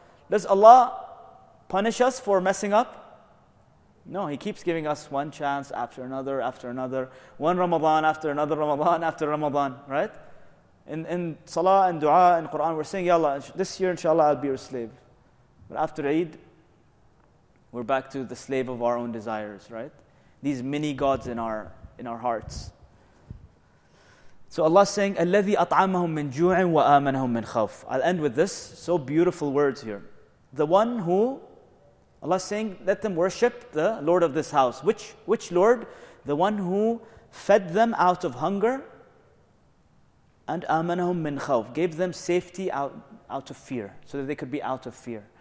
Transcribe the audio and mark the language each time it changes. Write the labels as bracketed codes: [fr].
[en] Does Allah punish us for messing up? No, He keeps giving us one chance after another, one Ramadan after Ramadan, right? In Salah and Dua and Quran, we're saying, Ya Allah, this year inshallah I'll be your slave. But after Eid, we're back to the slave of our own desires, right? These mini gods in our hearts. So Allah is saying, [ar] أَلَّذِي أَطْعَمَهُمْ مِنْ جُوعٍ وَآمَنَهُمْ مِنْ خَوْفٍ. [en] I'll end with this. So beautiful words here. The one who, Allah is saying, let them worship the Lord of this house. Which Lord? The one who fed them out of hunger and [ar] آمَنَهُمْ مِنْ خَوْفٍ. [en] Gave them safety out of fear, so that they could be out of fear.